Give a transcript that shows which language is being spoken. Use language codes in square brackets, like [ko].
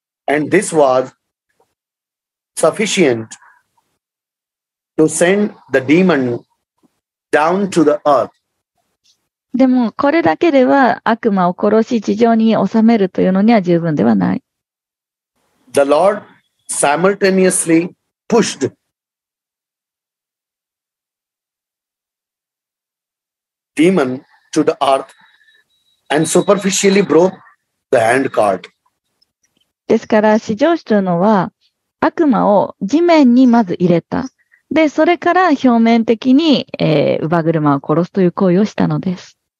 [en] And this was sufficient to send the demon down to the earth. [ja] でもこれだけでは悪魔を殺し地上に収めるというのには十分ではない。 [en] The Lord simultaneously pushed demon to the earth and superficially broke the hand cart. [ja] ですから至上主というのは悪魔を地面にまず入れた。で、それから表面的に、乳母車を殺すという行為をしたのです。